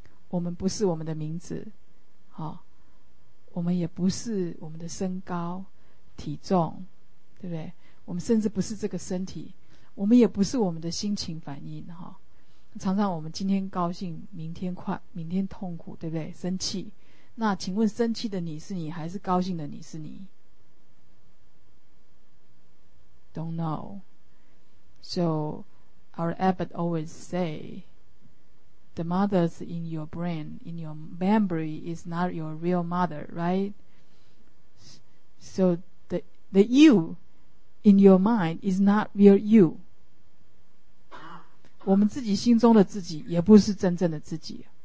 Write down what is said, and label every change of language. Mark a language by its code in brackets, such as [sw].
[zh] 我们不是我们的名字，好，我们也不是我们的身高、体重，对不对？我们甚至不是这个身体，我们也不是我们的心情反应，哈。常常我们今天高兴，明天痛苦，对不对？生气，那请问生气的你是你，还是高兴的你是你？ [en] Don't know. So our abbot always say, the mothers in your brain, in your memory is not your real mother, right? So the you in your mind is not real you. [zh] 我们自己心中的自己也不是真正的自己。